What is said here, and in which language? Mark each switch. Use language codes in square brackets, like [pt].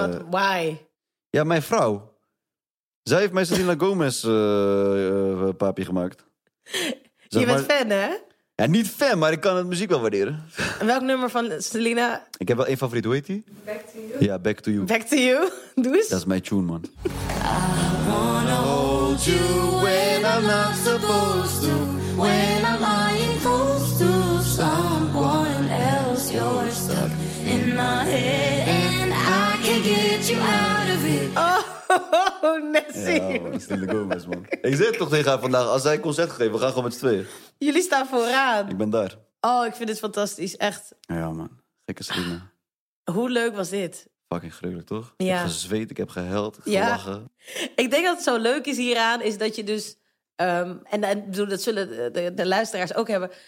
[en] Why? [nl] Ja, mijn vrouw. Zij heeft mij Selena Gomez papi gemaakt. Zeg je bent maar... fan, hè? Ja, niet fan, maar ik kan het muziek wel waarderen. En welk nummer van Selena? Ik heb wel één favoriet, hoe heet die? Back to You. Ja, Back to You. Back to You? Doe eens. Dat is mijn tune, man. [en] I wanna hold you when I'm not supposed to. When I'm lying close to someone else. You're stuck in my head and I can't get you out of it. Oh! [nl] Nessie. Ja, Selena Gomez, man. Ik zei het toch tegen haar vandaag, als zij een concert geeft, we gaan gewoon met z'n tweeën. Jullie staan vooraan. Ik ben daar. Oh, ik vind dit fantastisch, echt. Ja, man. Gekke Selena. Hoe leuk was dit? Fucking gruwelijk, toch? Ja. Ik heb gezweet, ik heb geheld, gelachen. Ja. Ik denk dat het zo leuk is hieraan, is dat je dus... En dat zullen de luisteraars ook hebben.